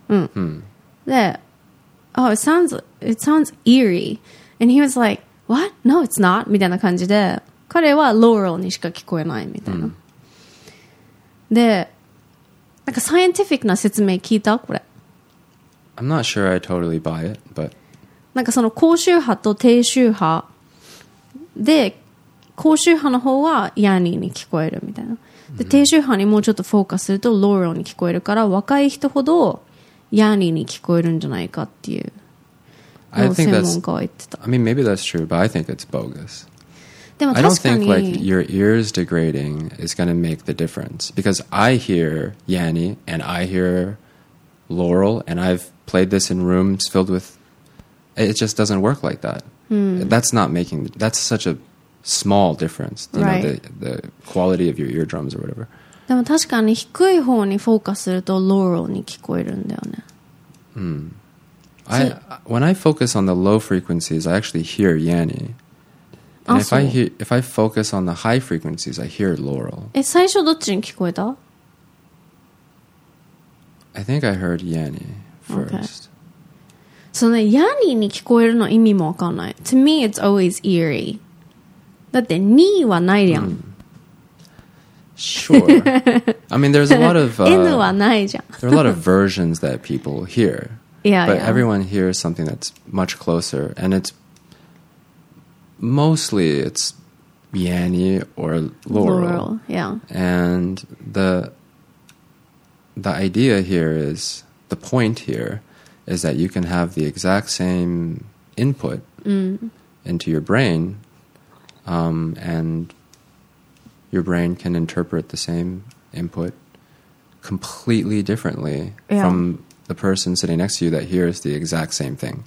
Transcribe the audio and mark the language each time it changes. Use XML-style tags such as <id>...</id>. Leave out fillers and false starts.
<ja>うん。 Mm.</ja> <en>で、Oh, it sounds eerie. And he was like, what? No, it's not.</en> <ja>みたいな感じで、彼はローラルにしか聞こえないみたいな。で、なんかサイエンティフィックな説明聞いた？これ。</ja> <en>I'm not sure I totally buy it, but...</en> <ja>なんかその高周波と低周波で、高周波の方はヤニーに聞こえるみたいな。で、低周波にもうちょっとフォーカスするとローラルに聞こえるから、若い人ほどヤニーに聞こえるんじゃないかっていう。</ja> <en>I think that's. I mean, maybe that's true, but I think it's bogus.</en> <ja>でも確かに、</ja> <en>I don't think like your ears degrading is going to make the difference because I hear Yanny and I hear Laurel and I've played this in rooms filled with. It just doesn't work like that.、 Hmm. That's not making. That's such a small difference. You、 right. know, the quality of your eardrums or whatever.</en> <ja>でも確かに低い方にフォーカスすると Laurel に聞こえるんだよね。 Hmm.</ja> <en>When I focus on the low frequencies, I actually hear Yanny. And if I focus on the high frequencies, I hear Laurel.</en> <ja>え、最初どっちに聞こえた？</ja> <en>I think I heard Yanni first. So the Yanni</en> <ja>に聞こえるの意味もわかんない。</ja> <en>To me, it's always eerie.</en> <ja>だってにはないじゃん。</ja> <en>Sure. I mean, there's a lot of</en> <ja>N はないじゃん。</ja> <en>There are a lot of versions that people hear. Yeah, but yeah. everyone hears something that's much closer, and it's mostly it's Yanni or Laurel. Laurel, yeah. And the idea here is, the point here is that you can have the exact same input into your brain, and your brain can interpret the same input completely differently from the person sitting next to you that hears the exact same thing.</en>